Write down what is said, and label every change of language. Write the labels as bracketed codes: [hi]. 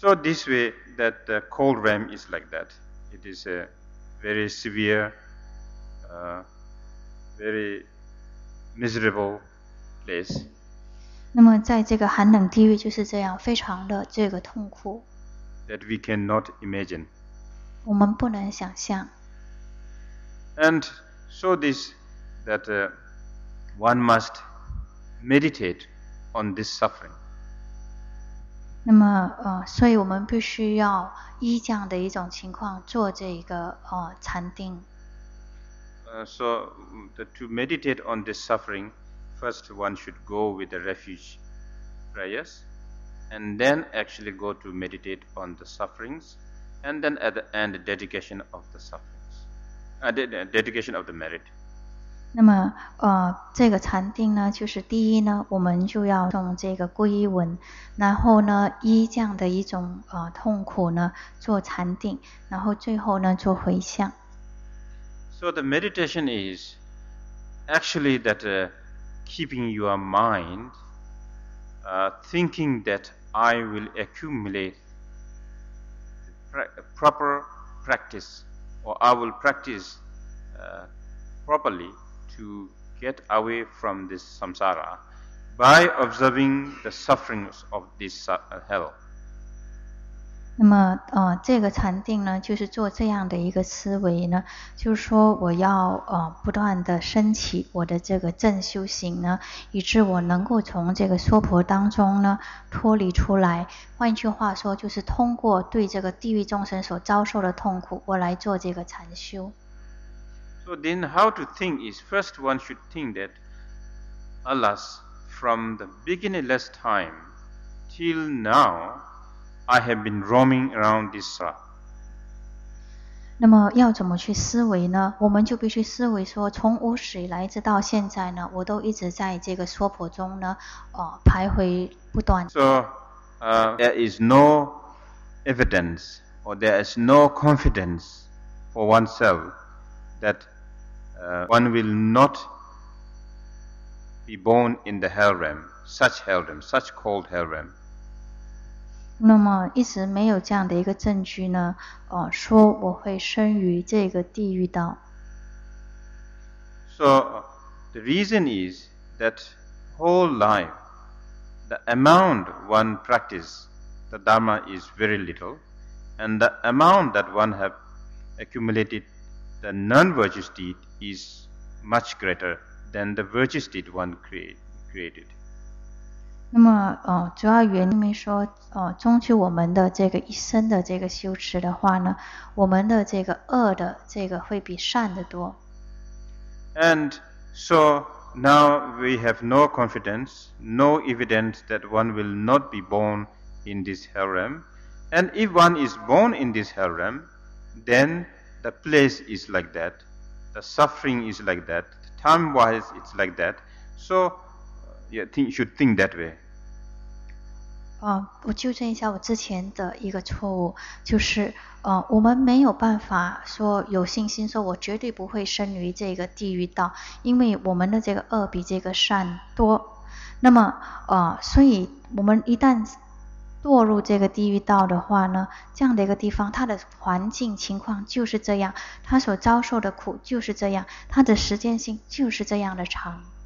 [en] So this way that the cold realm is like that. It is a very severe, very miserable place. [zh] 那么在这个寒冷地狱就是这样，非常的这个痛苦。 [en] That we cannot imagine. [zh] 我们不能想象。 [en] And so this, that one must meditate on this suffering. [zh] 那么所以我们必须要依这样的一种情况做这个禅定。 [en] So to meditate on this suffering, first one should go with the refuge prayers, and then actually go to meditate on the sufferings, and then at the end dedication of the suffering. Dedication of the merit. [zh] 那么这个禅定呢，就是第一呢，我们就要诵这个皈文，然后呢依这样的一种痛苦呢做禅定，然后最后呢做回向。 [en] So the meditation is actually that keeping your mind thinking that I will accumulate proper practice. Or I will practice properly to get away from this samsara by observing the sufferings of this hell. [zh] 那么这个禅定呢，就是做这样的一个思维呢，就是说我要不断的升起我的这个正修行呢，以致我能够从这个娑婆当中呢脱离出来。换句话说，就是通过对这个地狱众生所遭受的痛苦，我来做这个禅修。 [en] So then, how to think is first one should think that, alas, from the beginningless time till now, I have been roaming around this sa. [zh] 那么要怎么去思维呢？我们就必须思维说，从无始以来直到现在呢，我都一直在这个娑婆中呢，徘徊不断。 [en] So, there is no evidence or there is no confidence for oneself that one will not be born in the hell realm, such hell realm, such cold hell realm. [zh] 那么一直没有这样的一个证据呢，说我会生于这个地狱道。 [en] So, the reason is that whole life, the amount one practice the Dharma is very little, and the amount that one have accumulated the non-virtuous deed is much greater than the virtuous deed one created. [zh] 那么主要原因说终究我们的这个一生的这个修持的话呢，我们的这个恶的这个会比善的多。 [en] And so now we have no confidence, no evidence that one will not be born in this hell realm. And if one is born in this hell realm, then the place is like that, the suffering is like that, time-wise it's like that. So,You should think that way. [zh] 我纠正一下我之前的一个错误，就是我们没有办法说有信心说我绝对不会生于这个地狱道，因为我们的这个恶比这个善多。那么所以我们一旦堕入这个地狱道的话呢，这样的一个地方，它的环境情况就是这样，它所遭受的苦就是这样，它的时间性就是这样的长。